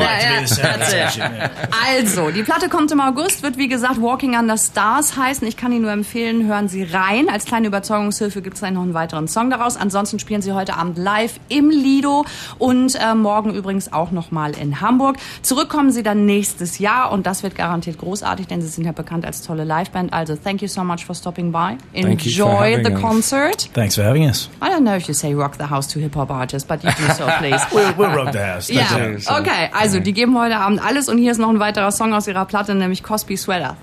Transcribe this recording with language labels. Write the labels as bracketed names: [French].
[German] Also, die Platte kommt im August, wird wie gesagt Walking Under Stars heißen. Ich kann Ihnen nur empfehlen, hören Sie rein. Als kleine Überzeugungshilfe gibt es dann noch einen weiteren Song daraus. Ansonsten spielen Sie heute Abend live im Lido und morgen übrigens auch nochmal in Hamburg. Zurückkommen Sie dann nächstes Jahr und das wird garantiert großartig, denn Sie sind ja bekannt als tolle Liveband. [English] Also, thank you so much for stopping by. Enjoy the concert. Thanks for having us. I don't know if you say rock the house to hip-hop artists, but you do so, please. We'll rock the house. Yeah. So. [German] Okay, also die geben heute Abend alles, und hier ist noch ein weiterer Song aus ihrer Platte, nämlich Cosby Sweater.